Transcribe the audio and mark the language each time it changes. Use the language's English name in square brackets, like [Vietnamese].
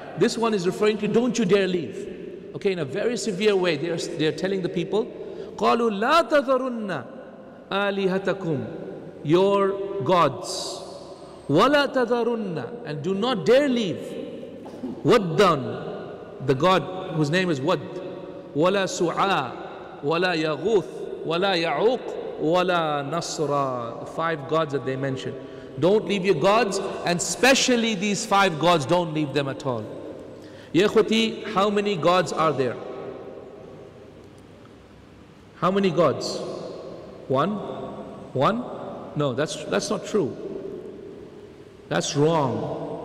[English] This one is referring to, don't you dare leave. Okay? In a very severe way, they are telling the people, [Arabic] قَالُوا لَا تَذَرُنَّ آلِهَتَكُمْ, [English] your gods. [Arabic] وَلَا تَذَرُنَّ, [English] and do not dare leave. [Arabic] وَدَّن, [English] the god whose name is Wad. [Arabic] وَلَا سُعَى, وَلَا يَغُوث, وَلَا يَعُوق, وَلَا نَصْرَى, [English] the five gods that they mentioned. Don't leave your gods, and especially these five gods, don't leave them at all. Ya Khuti, how many gods are there? How many gods? One? One? No, that's not true. That's wrong.